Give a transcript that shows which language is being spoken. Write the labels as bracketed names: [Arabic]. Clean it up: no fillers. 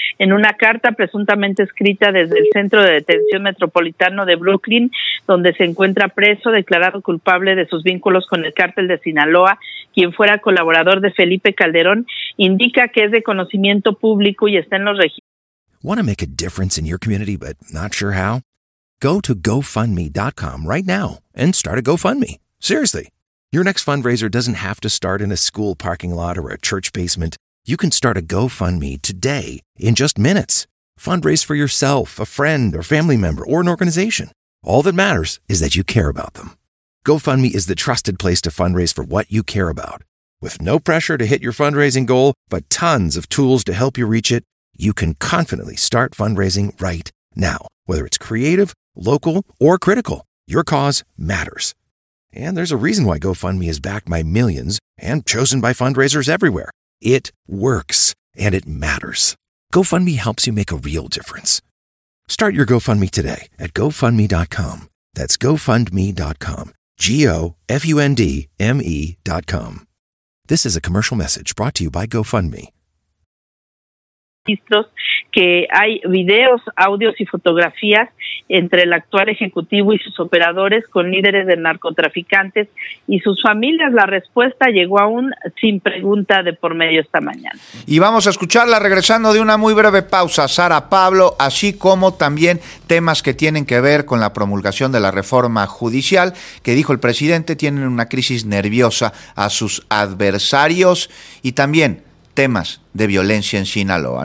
[Spanish] En una carta presuntamente escrita desde el Centro de Detención Metropolitano de Brooklyn, donde se encuentra preso, declarado culpable de sus vínculos con el cártel de Sinaloa, quien fuera colaborador de Felipe Calderón, indica que es de conocimiento público y está en los registros. [English] Want to make a difference in your community but not sure how? Go to GoFundMe.com right now and start a GoFundMe. Seriously, your next fundraiser doesn't have to start in a school parking lot or a church basement. You can start a GoFundMe today in just minutes. Fundraise for yourself, a friend, or family member, or an organization. All that matters is that you care about them. GoFundMe is the trusted place to fundraise for what you care about. With no pressure to hit your fundraising goal, but tons of tools to help you reach it, you can confidently start fundraising right now. Whether it's creative, local, or critical, your cause matters. And there's a reason why GoFundMe is backed by millions and chosen by fundraisers everywhere. It works, and it matters. GoFundMe helps you make a real difference. Start your GoFundMe today at GoFundMe.com. That's GoFundMe.com. GoFundMe.com. This is a commercial message brought to you by GoFundMe. [Spanish] Que hay videos, audios y fotografías entre el actual ejecutivo y sus operadores con líderes de narcotraficantes y sus familias. La respuesta llegó aún sin pregunta de por medio esta mañana. Y vamos a escucharla regresando de una muy breve pausa, Sara Pablo, así como también temas que tienen que ver con la promulgación de la reforma judicial, que dijo el presidente, tienen una crisis nerviosa a sus adversarios y también temas de violencia en Sinaloa.